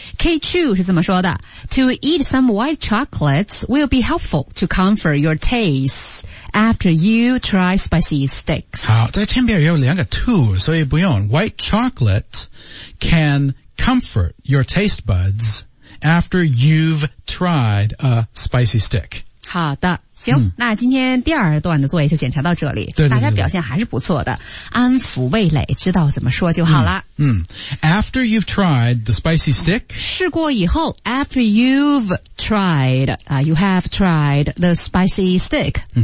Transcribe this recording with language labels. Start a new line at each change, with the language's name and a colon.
English: K2
Chinese: 是怎么说的
English: ?To eat some white chocolates will be helpful to comfort your taste after you try spicy sticks.
Chinese: 好在前面有两个 to, 所以不用。
English: White chocolate can comfort your taste buds after you've tried a spicy stick.
Chinese: 好的。行、那今天第二段的作业就检查到这里对对对对大家表现还是不错的安抚味蕾知道怎么说就好了
English: After you've tried the spicy stick
Chinese: 试过以后
English: After you've tried、You have tried the spicy stick、